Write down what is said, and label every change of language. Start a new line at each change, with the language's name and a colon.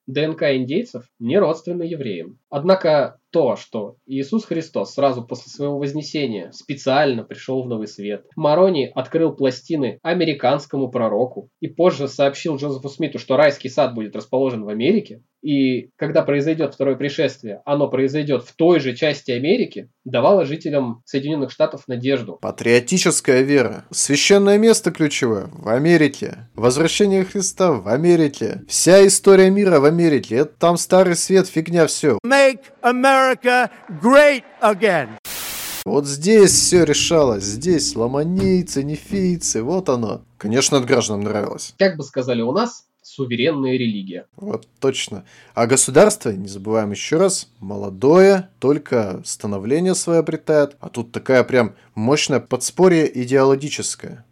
Russian: ДНК индейцев не родственны евреям. Однако то, что Иисус Христос сразу после своего вознесения специально пришел в Новый Свет, Морони открыл пластины американскому пророку и позже сообщил Джозефу Смиту, что райский сад будет расположен в Америке, и когда произойдет второе пришествие, оно произойдет в той же части Америки, давало жителям Соединенных Штатов надежду. Патриотическая вера. Священное место ключевое в Америке. Возвращение Христа в Америке. Вся история мира в Америке. Это там старый свет, фигня, все.
English: Make America great again.
Russian: Вот здесь все решалось. Здесь ламанийцы, нефийцы, вот оно. Конечно, от граждан нравилось. Как бы сказали у нас, суверенная религия. Вот точно. А государство, не забываем еще раз, молодое, только становление свое обретает. А тут такая прям мощная подспорье идеологическое.